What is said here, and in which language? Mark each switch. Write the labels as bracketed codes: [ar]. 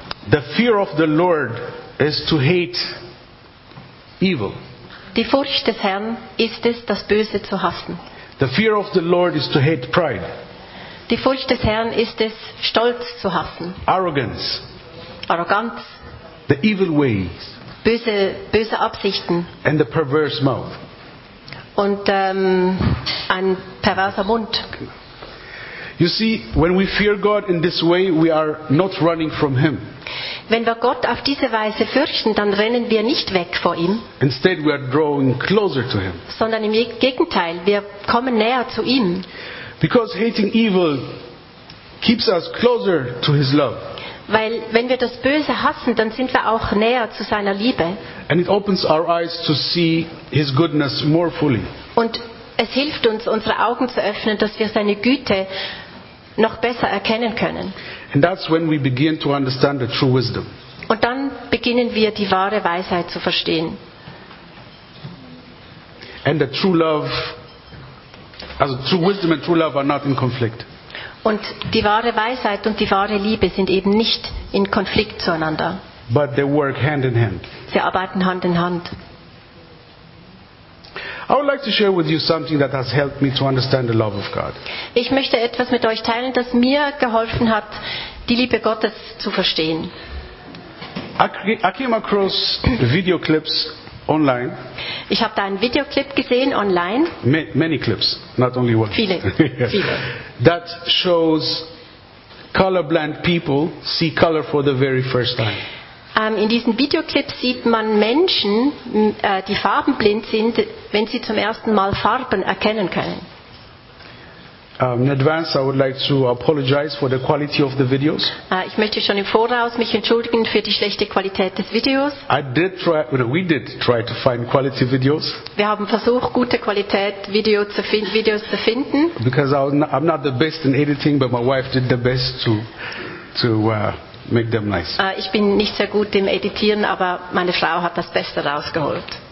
[en] The fear of the Lord is to hate evil. [de] Die Furcht des Herrn ist es, das Böse zu hassen. [en] The fear of the Lord is to hate pride. [de] Die Furcht des Herrn ist es, Stolz zu hassen. [en] Arrogance. [de] Arroganz. [en] The evil ways. [de] Böse Absichten. [en] And the perverse mouth. [de] Und ein perverser Mund. [en] You see, when we fear God in this way, we are not running from him. [de] Wenn wir Gott auf diese Weise fürchten, dann rennen wir nicht weg vor ihm. [en] Instead, we are drawing closer to him. [de] Sondern im Gegenteil, wir kommen näher zu ihm. [en] Because hating evil keeps us closer to his love. [de] Weil wenn wir das Böse hassen, dann sind wir auch näher zu seiner Liebe. [en] And it opens our eyes to see his goodness more fully. [de] Und es hilft uns, unsere Augen zu öffnen, dass wir seine Güte noch besser erkennen können. [en] And that's when we begin to understand the true wisdom. [de] Und dann beginnen wir, die wahre Weisheit zu verstehen. [en] And the true love, also true wisdom and true love are not in conflict. [de] Und die wahre Weisheit und die wahre Liebe sind eben nicht in Konflikt zueinander. [en] But they work hand in hand. [de] Sie arbeiten Hand in Hand. [en] I would like to share with you something that has helped me to understand the love of God. [de] Ich möchte etwas mit euch teilen, das mir geholfen hat, die Liebe Gottes zu verstehen. [en] I came across video clips online. [de] Ich habe da einen Videoclip gesehen online. [en] Many clips, not only one. [de] Viele. [en] That shows colorblind people see color for the very first time. [de] In diesen Videoclips sieht man Menschen, die farbenblind sind, wenn sie zum ersten Mal Farben erkennen können. [en] In advance, I would like to apologize for the quality of the videos. [de] Ich möchte schon im Voraus mich entschuldigen für die schlechte Qualität des Videos. [en] We did try to find quality videos. [de] Wir haben versucht, gute Qualität Videos zu finden. [en] Because I'm not the best in editing, but my wife did the best to make them nice. [de] Ich bin nicht sehr gut im Editieren, aber meine Frau hat das Beste rausgeholt.